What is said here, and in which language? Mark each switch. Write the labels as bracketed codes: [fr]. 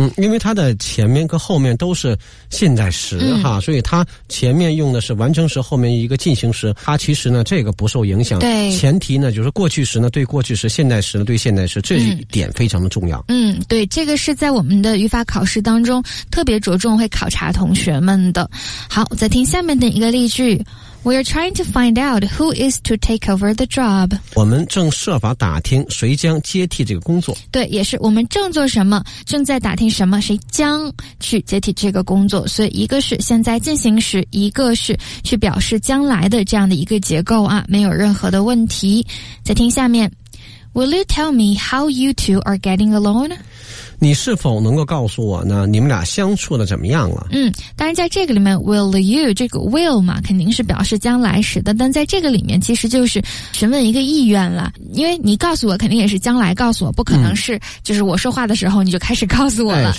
[zh] 因为它的前面跟后面都是现在时哈，所以它前面用的是完成时，后面一个进行时，它其实呢这个不受影响。对，前提呢就是过去时呢对过去时，现在时呢对现在时，这一点非常的重要。对，这个是在我们的语法考试当中特别着重会考察同学们的。好，再听下面的一个例句， [en] We are trying to find out who is to take over the job， [zh] 我们正设法打听谁将接替这个工作。对，也是我们正做什么，正在打听什么，谁将去接替这个工作，所以一个是现在进行时，一个是去表示将来的这样的一个结构啊，没有任何的问题。再听下面， [en] Will you tell me how you two are getting along？ [zh] 你是否能够告诉我呢你们俩相处的怎么样了。当然在这个里面 will you 这个 will 嘛肯定是表示将来时的，但在这个里面其实就是询问一个意愿了，因为你告诉我肯定也是将来告诉我，不可能是就是我说话的时候你就开始告诉我了。